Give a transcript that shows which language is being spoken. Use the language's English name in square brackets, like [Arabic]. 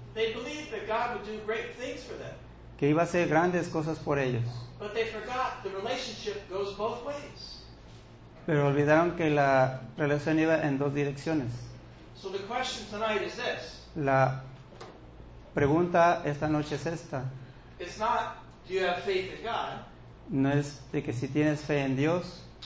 [English] They believed that God would do great things for them. [Spanish] Que iba a hacer grandes cosas por ellos. [English] But they forgot the relationship goes both ways. [Spanish] Pero olvidaron que la relación iba en dos direcciones. [English] So the question tonight is this. [Spanish] La pregunta esta noche es esta. [English] It's not, do you have faith in God? [Spanish] No es de que si tienes fe en Dios.